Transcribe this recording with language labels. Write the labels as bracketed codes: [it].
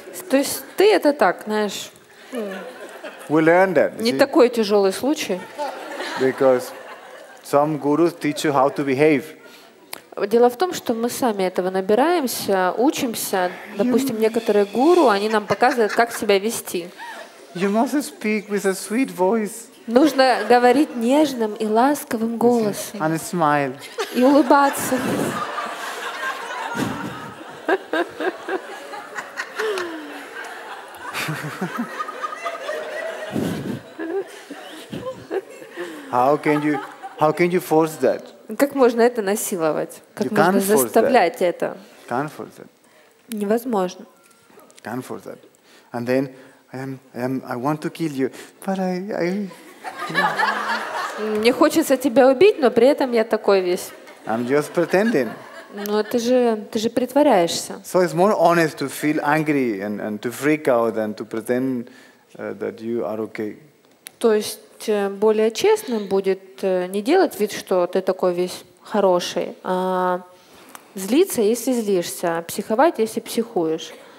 [ru] То есть ты это так, знаешь. [en] We learned that. [ru] Не такой тяжелый случай. [en] Because some gurus teach you how to behave. [ru] Дело в том, что мы сами этого набираемся, учимся. Допустим, некоторые гуру, они нам показывают, как себя вести. [en] You must speak with a sweet voice. [ru] Нужно говорить нежным и ласковым голосом. [en] And smile. [ru] И улыбаться. [en] How can you force that? [ru] Как можно это насиловать? Как [en] you [ru] можно заставлять [en] that. [ru] Это? [en] Can't force that. [ru] Невозможно. [en] Can't force that. And then I want to kill you, but I. [ru] Мне хочется тебя убить, но при этом я такой весь. [en] I'm just pretending. [ru] Но ты же притворяешься. [en] So it's more honest to feel angry and to freak out than to pretend that you are okay. [ru] То есть более честным будет не делать вид, что ты такой весь хороший, а злиться, если злишься, а психовать, если психуешь.